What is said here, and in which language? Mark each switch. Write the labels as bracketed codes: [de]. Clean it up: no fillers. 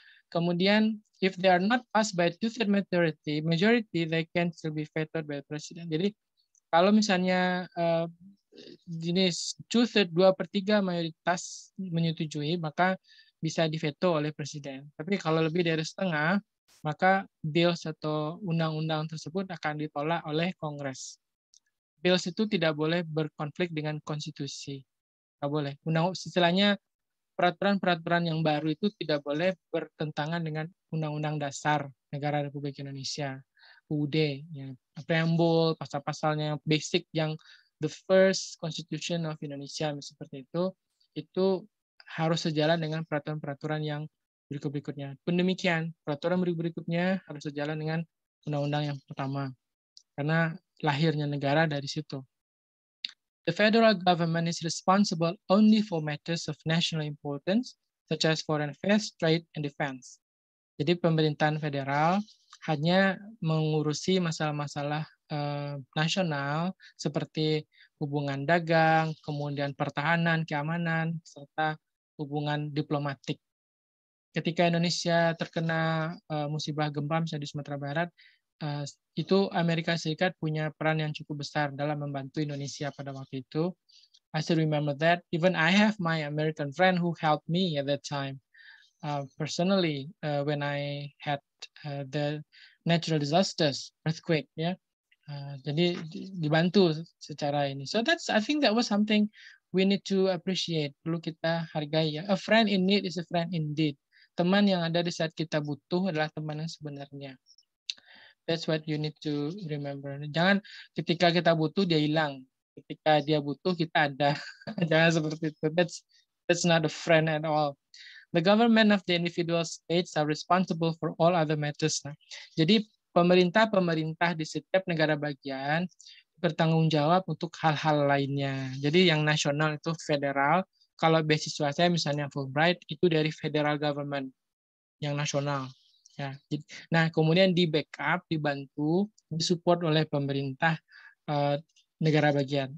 [id] Kemudian [en] if they are not passed by two-thirds majority, they can still be vetoed by the president. [id] Jadi kalau misalnya jenis two-thirds, 2/3 mayoritas menyetujui, maka bisa diveto oleh presiden. Tapi kalau lebih dari setengah, maka bills atau undang-undang tersebut akan ditolak oleh Kongres. Bills itu tidak boleh berkonflik dengan konstitusi. Tidak boleh. Istilahnya, peraturan-peraturan yang baru itu tidak boleh bertentangan dengan Undang-Undang Dasar Negara Republik Indonesia, UUD, ya. Preamble, pasal-pasalnya yang basic, yang [en] the first constitution of Indonesia, [id] seperti itu harus sejalan dengan peraturan-peraturan yang berikut-berikutnya. Pun demikian, peraturan berikut-berikutnya harus sejalan dengan undang-undang yang pertama. Karena lahirnya negara dari situ. [en] The federal government is responsible only for matters of national importance, such as foreign affairs, trade, and defense. [id] Jadi pemerintahan federal hanya mengurusi masalah-masalah nasional seperti hubungan dagang, kemudian pertahanan, keamanan, serta hubungan diplomatik. Ketika Indonesia terkena musibah gempa misalnya di Sumatera Barat, itu Amerika Serikat punya peran yang cukup besar dalam membantu Indonesia pada waktu itu. [en] I still remember that. Even I have my American friend who helped me at that time personally when I had the natural disasters, earthquake. Yeah. [id] Jadi dibantu secara ini. [en] So that's, I think that was something we need to appreciate, [id] perlu kita hargai ya. [en] A friend in need is a friend indeed. [id] Teman yang ada di saat kita butuh adalah teman yang sebenarnya. [en] That's what you need to remember. [id] Jangan ketika kita butuh dia hilang, ketika dia butuh kita ada. Jangan seperti itu. [en] That's not a friend at all. The government of the individual states are responsible for all other matters. [id] Nah, jadi pemerintah-pemerintah di setiap negara bagian bertanggung jawab untuk hal-hal lainnya. Jadi yang nasional itu federal. Kalau beasiswa saya misalnya Fulbright itu dari federal government yang nasional. Ya. Nah, kemudian di backup, dibantu, disupport oleh pemerintah negara bagian.